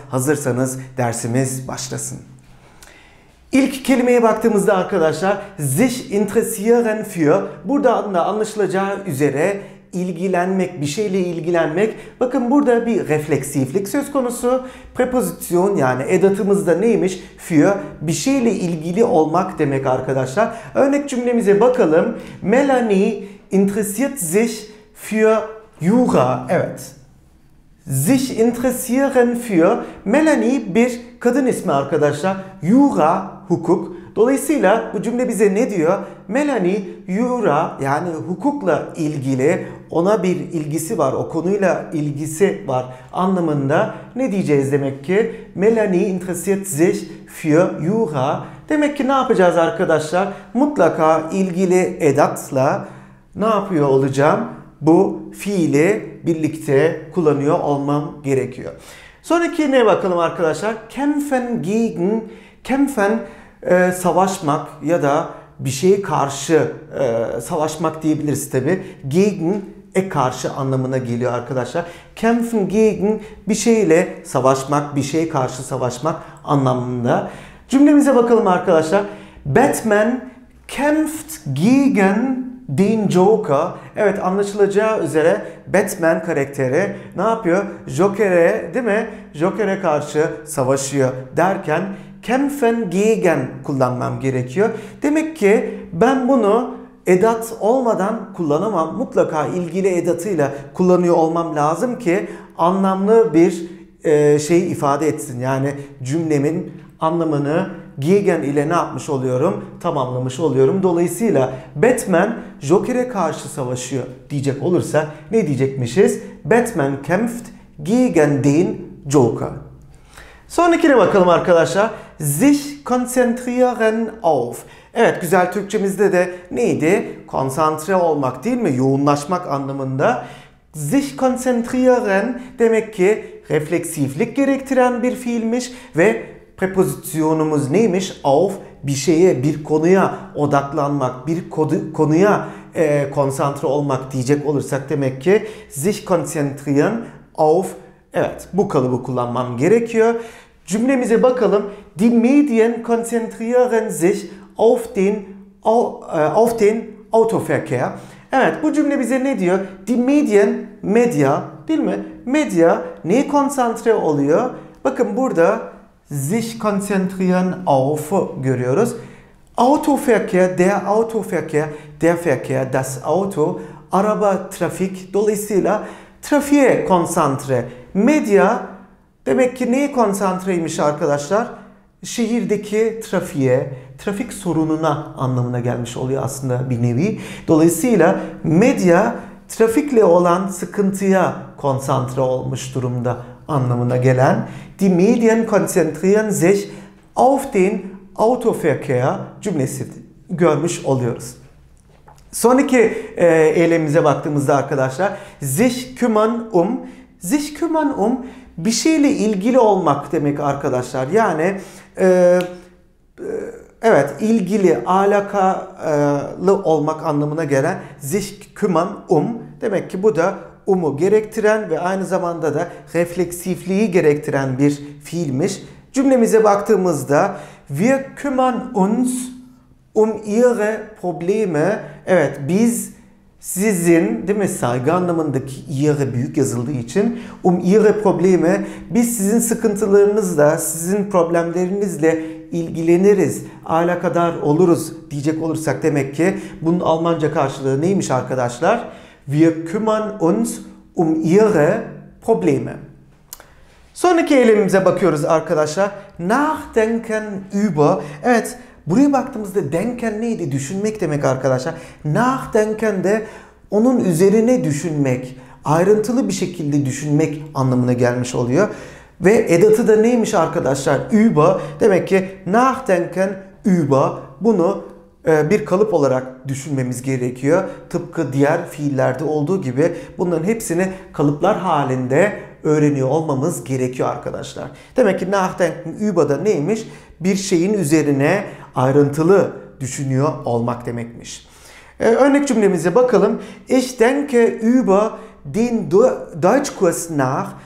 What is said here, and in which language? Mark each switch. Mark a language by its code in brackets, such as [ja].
[tr] Hazırsanız dersimiz başlasın. İlk kelimeye baktığımızda arkadaşlar, sich interessieren für, burada adında anlaşılacağı üzere ilgilenmek, bir şeyle ilgilenmek. Bakın burada bir refleksiflik söz konusu. Preposition yani edatımız da neymiş? Für, bir şeyle ilgili olmak demek arkadaşlar. Örnek cümlemize bakalım. [de] Melanie interessiert sich für Jura. [tr] Evet. Sich interessieren für, Melanie bir kadın ismi arkadaşlar. Jura, hukuk. Dolayısıyla bu cümle bize ne diyor? Melanie, Jura yani hukukla ilgili, ona bir ilgisi var, o konuyla ilgisi var anlamında. Ne diyeceğiz demek ki? [de] Melanie interessiert sich für Jura. [tr] Demek ki ne yapacağız arkadaşlar? Mutlaka ilgili edatla ne yapıyor olacağım? Bu fiili birlikte kullanıyor olmam gerekiyor. Sonraki ne bakalım arkadaşlar? Kämpfen gegen, kämpfen savaşmak ya da bir şeye karşı savaşmak diyebiliriz tabi. Gegen, karşı anlamına geliyor arkadaşlar. Kämpfen gegen, bir şeyle savaşmak, bir şeye karşı savaşmak anlamında. Cümlemize bakalım arkadaşlar. [de] Batman kämpft gegen den Joker. [tr] Evet, anlaşılacağı üzere Batman karakteri ne yapıyor? Joker'e, değil mi? Joker'e karşı savaşıyor derken kämpfen gegen kullanmam gerekiyor. Demek ki ben bunu edat olmadan kullanamam. Mutlaka ilgili edatıyla kullanıyor olmam lazım ki anlamlı bir şey ifade etsin. Yani cümlemin anlamını gegen ile ne yapmış oluyorum? Tamamlamış oluyorum. Dolayısıyla Batman Joker'e karşı savaşıyor diyecek olursa ne diyecekmişiz? [de] Batman kämpft gegen den Joker. [tr] Sonrakine bakalım arkadaşlar. [de] Sich konzentrieren auf. [tr] Evet, güzel Türkçemizde de neydi? Konsantre olmak değil mi? Yoğunlaşmak anlamında. Sich konzentrieren demek ki refleksiflik gerektiren bir fiilmiş ve prepozisyonumuz neymiş? Auf, bir şeye, bir konuya odaklanmak, bir konuya konsantre olmak diyecek olursak demek ki sich konzentrieren auf, evet, bu kalıbı kullanmam gerekiyor. Cümlemize bakalım. [de] Die Medien konzentrieren sich auf den Autoverkehr. [tr] Evet, bu cümle bize ne diyor? Die Medien, medya, değil mi? Medya neye konsantre oluyor? Bakın burada sich konzentrieren auf görüyoruz. Autoverkehr, der Autoverkehr, der Verkehr, das Auto, araba, trafik. Dolayısıyla trafiğe konsantre. Medya demek ki neye konsantreymiş arkadaşlar? Şehirdeki trafiğe, trafik sorununa anlamına gelmiş oluyor aslında bir nevi. Dolayısıyla medya trafikle olan sıkıntıya konsantre olmuş durumda anlamına gelen. [de] Die Medien konzentrieren sich auf den Autoverkehr [tr] cümlesi görmüş oluyoruz. Sonraki eylemimize baktığımızda arkadaşlar, sich kümmern um, sich kümmern um, bir şeyle ilgili olmak demek arkadaşlar. Yani evet, ilgili, alakalı olmak anlamına gelen sich kümmern um. Demek ki bu da umu gerektiren ve aynı zamanda da refleksifliği gerektiren bir fiilmiş. Cümlemize baktığımızda [de] wir kümmern uns um ihre Probleme. [tr] Evet, biz sizin, değil mi, saygı anlamındaki ihre büyük yazıldığı için [de] um ihre Probleme, [tr] biz sizin sıkıntılarınızla, sizin problemlerinizle ilgileniriz, alakadar oluruz diyecek olursak demek ki bunun Almanca karşılığı neymiş arkadaşlar? [de] Wir kümmern uns um ihre Probleme. [tr] Sonraki eylemimize bakıyoruz arkadaşlar. Nachdenken über. Evet, buraya baktığımızda denken neydi? Düşünmek demek arkadaşlar. Nachdenken de onun üzerine düşünmek, ayrıntılı bir şekilde düşünmek anlamına gelmiş oluyor. Ve edatı da neymiş arkadaşlar? Über. Demek ki nachdenken über. Bunu bir kalıp olarak düşünmemiz gerekiyor. Tıpkı diğer fiillerde olduğu gibi bunların hepsini kalıplar halinde öğreniyor olmamız gerekiyor arkadaşlar. Demek ki nachdenken über'da neymiş? Bir şeyin üzerine ayrıntılı düşünüyor olmak demekmiş. Örnek cümlemize bakalım. [de] Ich denke über den Deutschkurs nach.